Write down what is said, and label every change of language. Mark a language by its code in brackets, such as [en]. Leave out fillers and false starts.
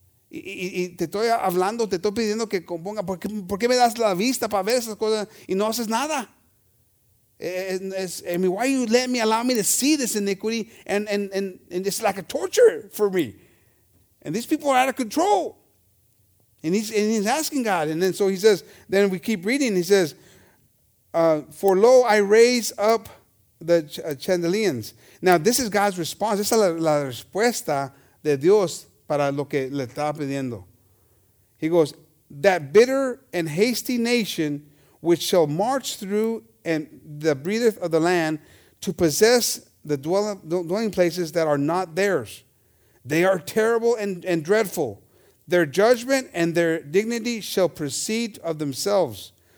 [es] Y te estoy hablando, te estoy pidiendo que componga, ¿por qué me das la vista para ver esas cosas y no haces nada? [en] I mean, why you let me allow me to see this iniquity and it's like a torture for me, and these people are out of control, and he's asking God, and then so he says, then we keep reading, he says, for lo, I raise up the chandeliers. Now this is God's response. [es] Esa es la respuesta de Dios para lo que le está pidiendo. [en] He goes, that bitter and hasty nation which shall march through and the breedeth of the land to possess the dwelling places that are not theirs. They are terrible and dreadful. Their judgment and their dignity shall proceed of themselves.